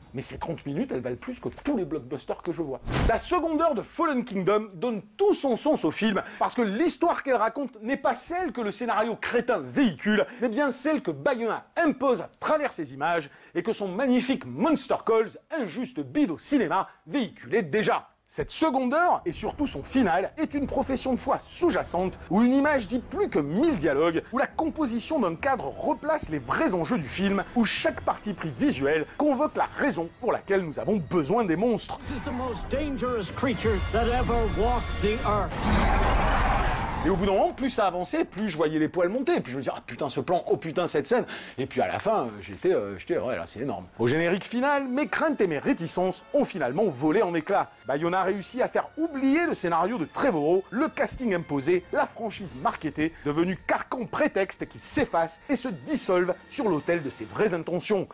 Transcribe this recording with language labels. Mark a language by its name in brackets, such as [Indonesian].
[French] mais ces 30 minutes, elles valent plus que tous les blockbusters que je vois. La seconde heure de Fallen Kingdom donne tout son sens au film, parce que l'histoire qu'elle raconte n'est pas celle que le scénario crétin véhicule, mais bien celle que Bayona impose à travers ses images, et que son magnifique Monster Calls, injuste bide au cinéma, véhiculait déjà. Cette seconde heure, et surtout son final, est une profession de foi sous-jacente où une image dit plus que 1000 dialogues, où la composition d'un cadre replace les vrais enjeux du film, où chaque parti pris visuel convoque la raison pour laquelle nous avons besoin des monstres. [English] This is the most dangerous creature that ever walked the earth. [French] Et au bout d'un moment, plus ça avançait, plus je voyais les poils monter. Puis je me disais, ah putain ce plan, oh putain cette scène. Et puis à la fin, j'étais, ouais là c'est énorme. Au générique final, mes craintes et mes réticences ont finalement volé en éclats. Bayona a réussi à faire oublier le scénario de Trevorrow, le casting imposé, la franchise marketée, devenue carcan prétexte qui s'efface et se dissolve sur l'autel de ses vraies intentions.